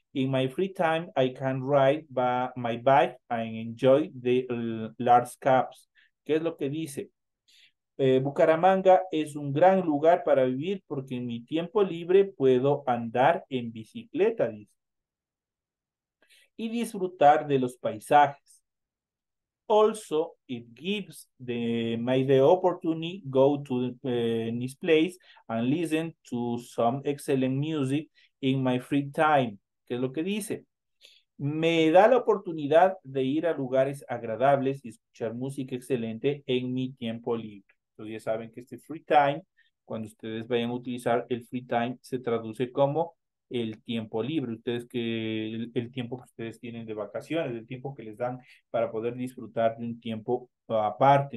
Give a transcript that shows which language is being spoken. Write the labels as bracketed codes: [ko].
[en] In my free time, I can ride my bike and enjoy the large caps. [es] ¿Qué es lo que dice? Bucaramanga es un gran lugar para vivir porque en mi tiempo libre puedo andar en bicicleta, dice. Y disfrutar de los paisajes. [en] Also, it gives the opportunity to go to this place and listen to some excellent music in my free time. [es] ¿Qué es lo que dice? Me da la oportunidad de ir a lugares agradables y escuchar música excelente en mi tiempo libre. Entonces ya saben que este free time, cuando ustedes vayan a utilizar el free time, se traduce como el tiempo libre, ustedes que el tiempo que ustedes tienen de vacaciones, el tiempo que les dan para poder disfrutar de un tiempo aparte.